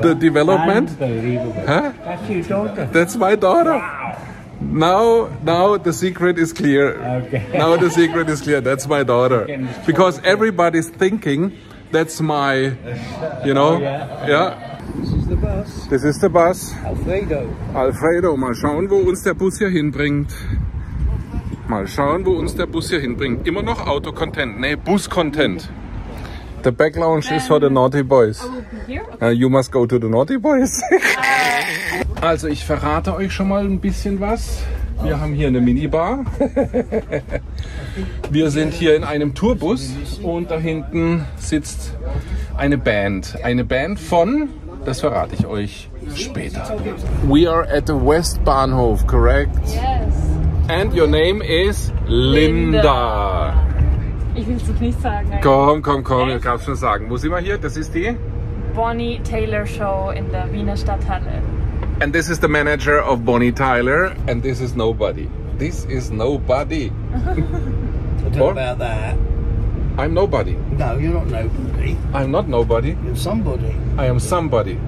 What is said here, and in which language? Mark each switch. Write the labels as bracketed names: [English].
[English] The development? Unbelievable. Huh? That's your daughter. That's my daughter. Wow. Now the secret is clear. Okay. Now the secret is clear. That's my daughter. Because everybody's thinking that's my, you know. Oh, yeah. Yeah. This is the bus. This is the bus. Alfredo. [German] Alfredo, mal schauen, wo uns der Bus hier hinbringt. Mal schauen, wo uns der Bus hier hinbringt. Immer noch Auto-Content. Nee, Bus-Content. [English] The back lounge is for the naughty boys. I will be here. Okay. You must go to the naughty boys. [German] Also, ich verrate euch schon mal ein bisschen was. Wir haben hier eine Minibar. Wir sind hier in einem Tourbus und da hinten sitzt eine Band. Eine Band von, das verrate ich euch später. [English] We are at the West Bahnhof, correct? Yes. And your name is Linda. [German] Ich will es doch nicht sagen. Komm, ich kann es schon sagen. Wo sind wir hier? Das ist die? Bonnie Tyler Show in der Wiener Stadthalle. [English] And this is the manager of Bonnie Tyler. And this is nobody. This is nobody. What about that? I'm nobody. No, you're not nobody. I'm not nobody. You're somebody. I am somebody.